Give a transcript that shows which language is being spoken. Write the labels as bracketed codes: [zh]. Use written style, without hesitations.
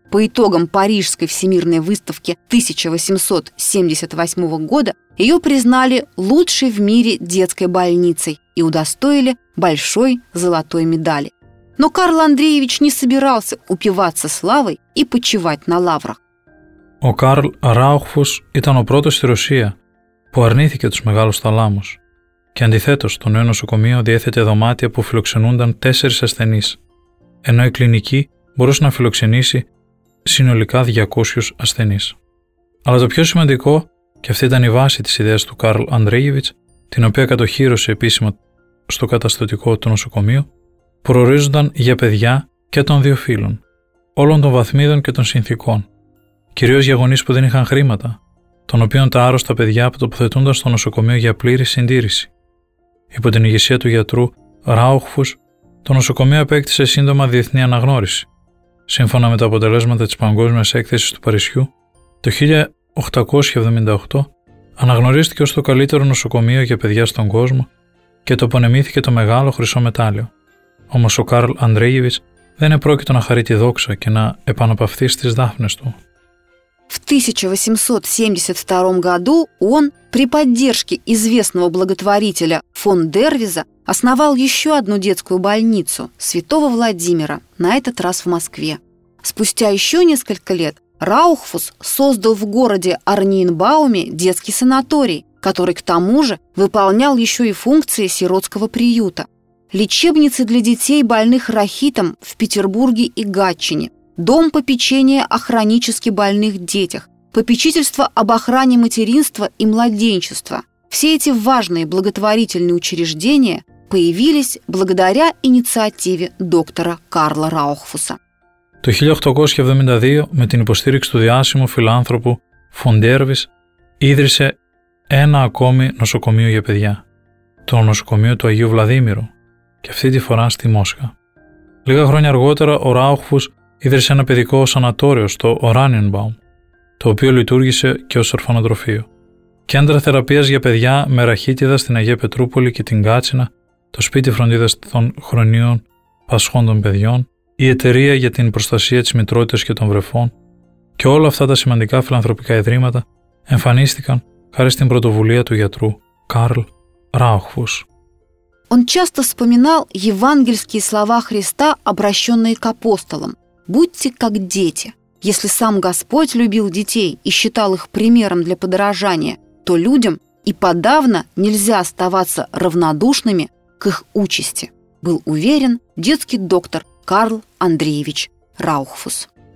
[ru] По итогам Парижской всемирной выставки 1878 года ее признали лучшей в мире детской больницей и удостоили большой золотой медали. Но Карл Андреевич не собирался упиваться славой и почивать на лаврах. [el] Ο Карл Ράουχφους ήταν ο πρώτος στη Ρωσία που αρνήθηκε τους μεγάλους θαλάμους και αντιθέτως το νέο νοσοκομείο διέθετε δωμάτια που φιλοξενούνταν 4 ασθενείς, ενώ η κλινική μπορούσε να φιλοξενήσει συνολικά 200 ασθενείς. Αλλά το πιο σημαντικό, και αυτή ήταν η βάση της ιδέας του Κάρλ Ανδρέγεβιτς, την οποία κατοχύρωσε επίσημα στο καταστατικό του νοσοκομείου, προορίζονταν για παιδιά και των 2 φύλων, όλων των βαθμίδων και των συνθήκων, κυρίως για γονείς που δεν είχαν χρήματα, των οποίων τα άρρωστα παιδιά τοποθετούνταν στο νοσοκομείο για πλήρη συντήρηση. Υπό την ηγεσία του γιατρού Ράουχφους, το νοσοκομείο επέκτησε σύντομα διεθνή αναγνώριση. Σύμφωνα με τα αποτελέσματα της Παγκόσμιας Έκθεσης του Παρισιού, το 1878 αναγνωρίστηκε ως το καλύτερο νοσοκομείο για παιδιά στον κόσμο και τοπονεμήθηκε το μεγάλο χρυσό μετάλλιο. Όμως ο Κάρλ Ανδρέγεβιτς δεν επρόκειτο να χαρεί τη δόξα και να επαναπαυθεί στις δάφνες του. [ru] В 1872 году он при поддержке известного благотворителя фон Дервиза основал еще одну детскую больницу Святого Владимира, на этот раз в Москве. Спустя еще несколько лет Раухфус создал в городе Арниенбауме детский санаторий, который к тому же выполнял еще и функции сиротского приюта. Лечебницы для детей, больных рахитом в Петербурге и Гатчине, дом попечения о хронически больных детях, попечительство об охране материнства и младенчества. Все эти важные благотворительные учреждения появились благодаря инициативе доктора Карла Раухфуса. [el] Το 1872 με την υποστήριξη του διάσημου φιλάνθρωπου Φον Ντέρβις ίδρυσε ένα ακόμη νοσοκομείο για παιδιά, το νοσοκομείο του Αγίου Βλαδίμηρου, και αυτή τη φορά στη Μόσχα. Λίγα χρόνια αργότερα ο Ράουχφους ίδρυσε ένα παιδικό σανατόριο στο Oranienbaum, το οποίο λειτουργήσε και ως ορφανοτροφείο. Κέντρα θεραπείας για παιδιά με ραχίτιδα στην Αγία Πετρούπολη και την Κάτσινα, το σπίτι φροντίδας των χρονίων πασχών των παιδιών, η εταιρεία για την προστασία της μητρότητας και των βρεφών και όλα αυτά τα σημαντικά φιλανθρωπικά ιδρύματα εμφανίστηκαν χάρη στην πρωτοβουλία του γιατρού Καρλ Ράουχφους. [ru] Он часто вспоминал евангельские слова Христа, обращенные к апостолам. «Будьте как дети». Если сам Господь любил детей и считал их примером для подражания, то людям и подавно нельзя оставаться равнодушными к их участи, был уверен детский доктор Карл Андреевич Раухфус.